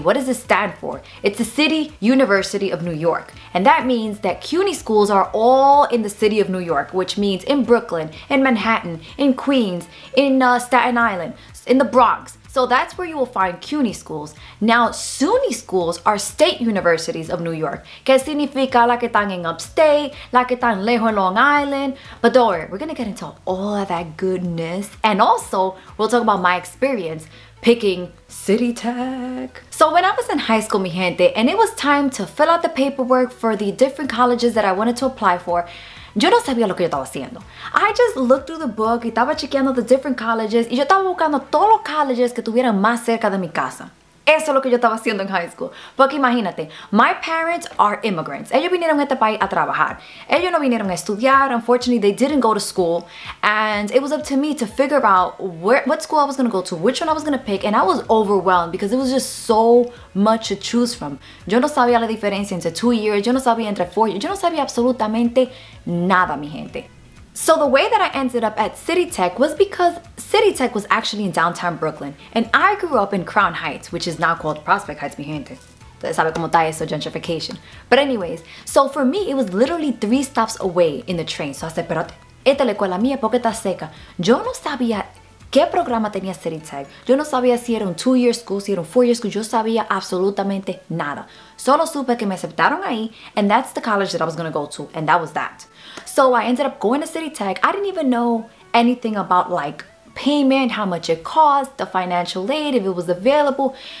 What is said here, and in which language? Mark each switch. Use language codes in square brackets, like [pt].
[en] What does it stand for? It's the City University of New York. And that means that CUNY schools are all in the City of New York, which means in Brooklyn, in Manhattan, in Queens, in Staten Island, in the Bronx. So that's where you will find CUNY schools. Now, SUNY schools are state universities of New York. [es] ¿Qué significa? La que están en upstate, la que están lejos en Long Island. [en] But don't worry, we're gonna get into all of that goodness. And also, we'll talk about my experience picking City Tech. So when I was in high school, [es] mi gente, [en] and it was time to fill out the paperwork for the different colleges that I wanted to apply for, [es] yo no sabía lo que yo estaba haciendo. [en] I just looked through the book [es] y estaba chequeando [en] the different colleges [es] y yo estaba buscando todos los colleges que tuvieran más cerca de mi casa. Eso es lo que yo estaba haciendo en high school. Porque imagínate, [en] my parents are immigrants. [es] Ellos vinieron a este país a trabajar. Ellos no vinieron a estudiar. [en] Unfortunately, they didn't go to school. And it was up to me to figure out what school I was going to go to, which one I was going to pick. And I was overwhelmed because it was just so much to choose from. [es] Yo no sabía la diferencia entre 2 years. Yo no sabía entre 4 years. Yo no sabía absolutamente nada, mi gente. [en] So the way that I ended up at City Tech was because City Tech was actually in downtown Brooklyn, and I grew up in Crown Heights, which is now called Prospect Heights, [es] mi gente. ¿Sabe cómo está eso, [en] gentrification? But anyways, so for me, it was literally 3 stops away in the train. So I said, [es] espérate, esta es la escuela mía porque está seca. Yo no sabía qué programa tenía City Tech. Yo no sabía si era un 2-year school, si era un 4-year school. Yo sabía absolutamente nada. Solo supe que me aceptaron ahí, [en] and that's the college that I was going to go to, and that was that. So I ended up going to City Tech. I didn't even know anything about, like, payment, how much it cost, the financial aid, if it was available.